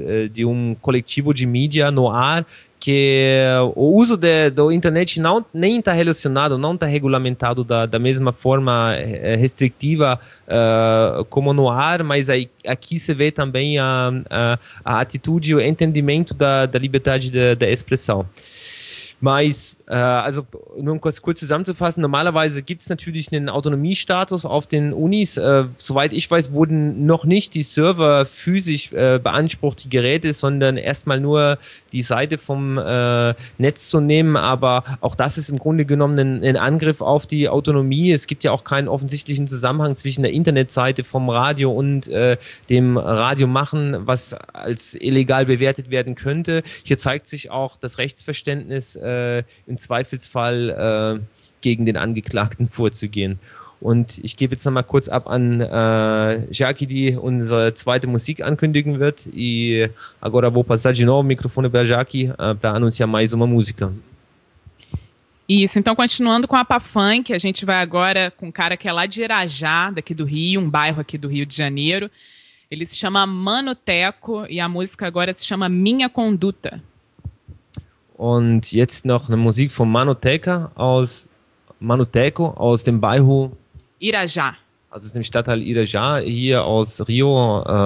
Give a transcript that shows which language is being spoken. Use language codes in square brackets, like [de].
[pt] de um coletivo de mídia no ar, que o uso da internet não, nem está relacionado, não está regulamentado da mesma forma restritiva como no ar, mas aqui se vê também a atitude, o entendimento da liberdade da expressão. Mas [de] Also nur um kurz zusammenzufassen, normalerweise gibt es natürlich einen Autonomiestatus auf den Unis. Soweit ich weiß, wurden noch nicht die Server physisch beansprucht, die Geräte, sondern erstmal nur die Seite vom Netz zu nehmen. Aber auch das ist im Grunde genommen ein Angriff auf die Autonomie. Es gibt ja auch keinen offensichtlichen Zusammenhang zwischen der Internetseite vom Radio und dem Radio machen, was als illegal bewertet werden könnte. Hier zeigt sich auch das Rechtsverständnis, im Zweifelsfall gegen den Angeklagten vorzugehen. Und ich gebe jetzt nochmal kurz ab an Jackie, die unsere zweite Musik ankündigen wird. [pt] I agora vou passar de novo o microfone para Jackie para anunciar mais uma música. Isso, então continuando com a Pafunk, a gente vai agora com um cara que é lá de Irajá, daqui do Rio, um bairro aqui do Rio de Janeiro. Ele se chama Mano Teco e a música agora se chama Minha Conduta. [de] Und jetzt noch eine Musik von Manoteco aus dem Bairro Irajá. Also aus dem Stadtteil Irajá hier aus Rio.